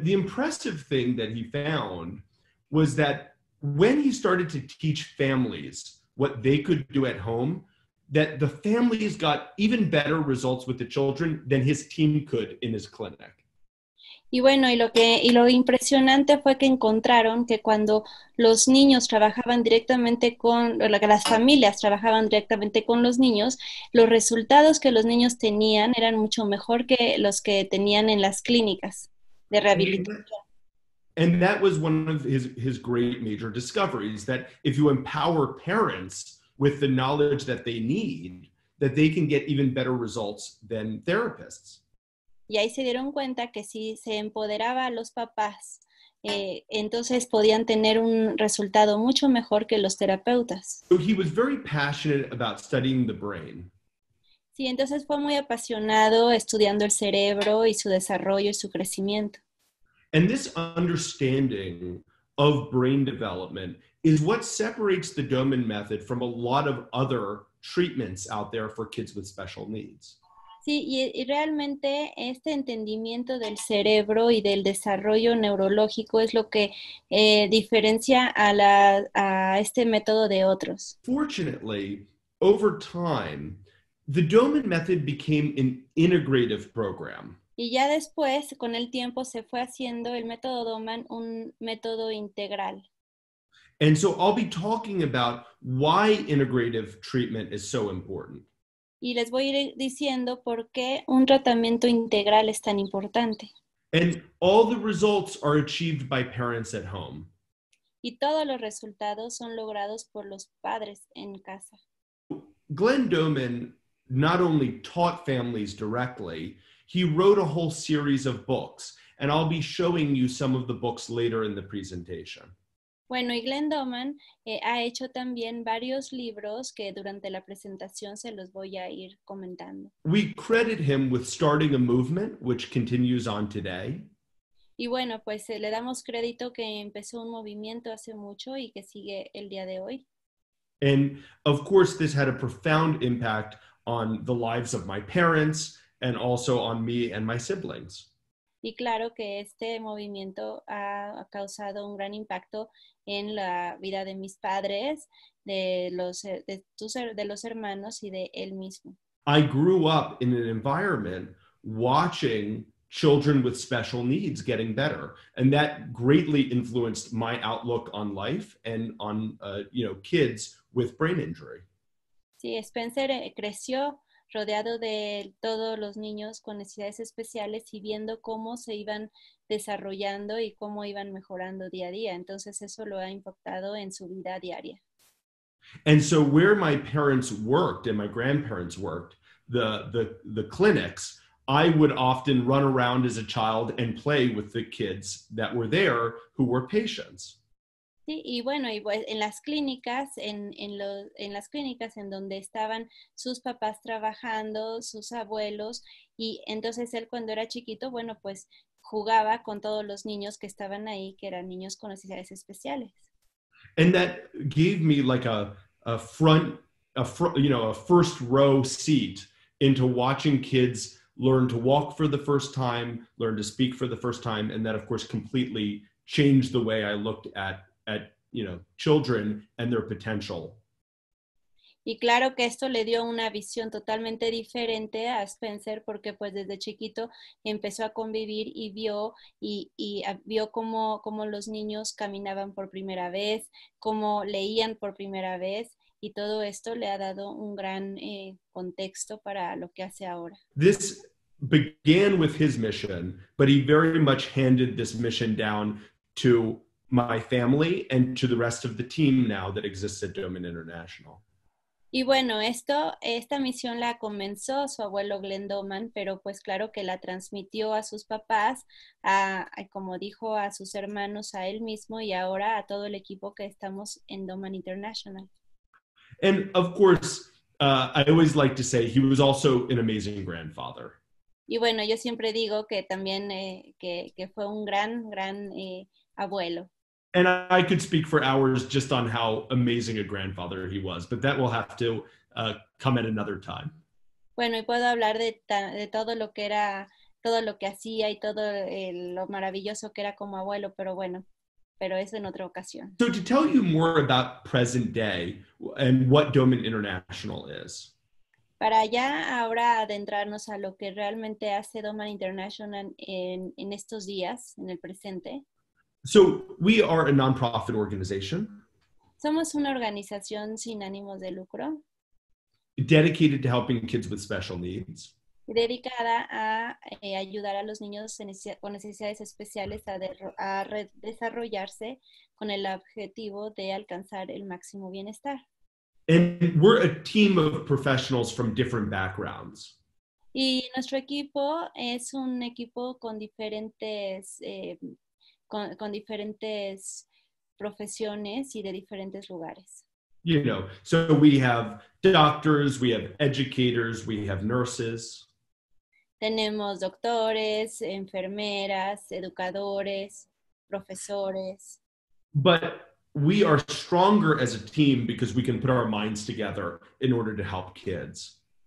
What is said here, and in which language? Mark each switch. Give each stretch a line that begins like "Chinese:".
English: The impressive thing that he found was that when he started to teach families what they could do at home, that the families got even better results with the children than his team could in his clinic.
Spanish: Y bueno, y lo impresionante fue que encontraron que cuando los niños trabajaban directamente con, o que las familias trabajaban directamente con los niños, los resultados que los niños tenían eran mucho mejor que los que tenían en las clínicas de rehabilitación.
English: And that was one of his great major discoveries, that if you empower parents with the knowledge that they need, that they can get even better results than therapists.
Spanish: Y ahí se dieron cuenta que si se empoderaba a los papás, entonces podían tener un resultado mucho mejor que los terapeutas.
English: So he was very passionate about studying the brain.
Spanish: Sí, entonces fue muy apasionado estudiando el cerebro y su desarrollo y su crecimiento.
English: And this understanding of brain development is what separates the Doman method from a lot of other treatments out there for kids with special needs.
Spanish: Sí, y realmente este entendimiento del cerebro y del desarrollo neurológico es lo que diferencia a este método de otros.
English: Fortunately, over time, the Doman method became an integrative program.
Spanish: Y ya después, con el tiempo, se fue haciendo el método Doman un método integral.
English: And so I'll be talking about why integrative treatment is so important.
Spanish: Y les voy a ir diciendo por qué un tratamiento integral es tan importante.
English: And all the results are achieved by parents at home.
Spanish: Y todos los resultados son logrados por los padres en casa.
English: Glenn Doman not only taught families directly, he wrote a whole series of books, and I'll be showing you some of the books later in the presentation.
Spanish: Bueno, y Glenn Doman ha hecho también varios libros que durante la presentación se los voy a ir comentando.
English: We credit him with starting a movement which continues on today.
Spanish: Y bueno, pues le damos crédito que empezó un movimiento hace mucho y que sigue el día de hoy.
English: And of course this had a profound impact on the lives of my parents and also on me and my siblings.
Spanish: Y claro que este movimiento ha causado un gran impacto en la vida de mis padres, de los hermanos y de él mismo.
English: I grew up in an environment watching children with special needs getting better, and that greatly influenced my outlook on life and on kids with brain injury.
Spanish: Sí, Spencer creció rodeado de todos los niños con necesidades especiales y viendo cómo se iban desarrollando y cómo iban mejorando día a día. Entonces eso lo ha impactado en su vida diaria.
English: And so where my parents worked and my grandparents worked, the clinics, I would often run around as a child and play with the kids that were there who were patients.
Spanish: Sí, y bueno, y en las clínicas, en las clínicas en donde estaban sus papás trabajando, sus abuelos, y entonces él cuando era chiquito, bueno, pues jugaba con todos los niños que estaban ahí, que eran niños con necesidades especiales.
English: And that gave me like a first row seat into watching kids learn to walk for the first time, learn to speak for the first time, and that of course completely changed the way I looked at children and their potential.
Spanish: Y claro que esto le dio una visión totalmente diferente a Spencer porque pues desde chiquito empezó a convivir y vio cómo los niños caminaban por primera vez, cómo leían por primera vez y todo esto le ha dado un gran contexto para lo que hace ahora.
English: This began with his mission, but he very much handed this mission down to my family and to the rest of the team now that exists at Doman International.
Spanish: Y bueno, esta misión la comenzó su abuelo Glenn Doman, pero pues claro que la transmitió a sus papás, a como dijo, a sus hermanos, a él mismo y ahora a todo el equipo que estamos en Doman International.
English: And of course, I always like to say he was also an amazing grandfather.
Spanish: Y bueno, yo siempre digo que también que fue un gran abuelo.
English: And I could speak for hours just on how amazing a grandfather he was, but that will have to come at another time.
Spanish: Bueno, y puedo hablar de todo lo que era, todo lo que hacía y todo lo maravilloso que era como abuelo, pero bueno, pero es en otra ocasión.
English: So to tell you more about present day and what Doman International is.
Spanish: Para ya ahora adentrarnos a lo que realmente hace Doman International en estos días, en el presente.
English: So we are a non-profit organization.
Spanish: Somos una organización sin ánimos de lucro.
English: Dedicated to helping kids with special needs.
Spanish: Dedicada a ayudar a los niños con necesidades especiales a desarrollarse con el objetivo de alcanzar el máximo bienestar.
English: And we're a team of professionals from different backgrounds.
Spanish: Y nuestro equipo es un equipo con diferentes profesiones y de diferentes lugares.
English: You know, so we have doctors, we have educators, we have nurses.
Spanish: Tenemos doctores, enfermeras, educadores, profesores.
English: But we are stronger as a team because we can put our minds together in order to help kids.